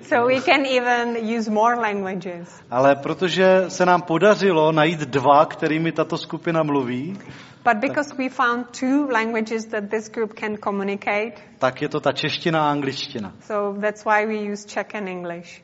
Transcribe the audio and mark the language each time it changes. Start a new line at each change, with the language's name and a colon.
English: So we can even use more languages.
Czech: Ale protože se nám podařilo najít dva, kterými tato skupina mluví.
English: But because we found two languages that this group can communicate.
Czech: Tak je to ta čeština a angličtina.
English: So that's why we use Czech and English.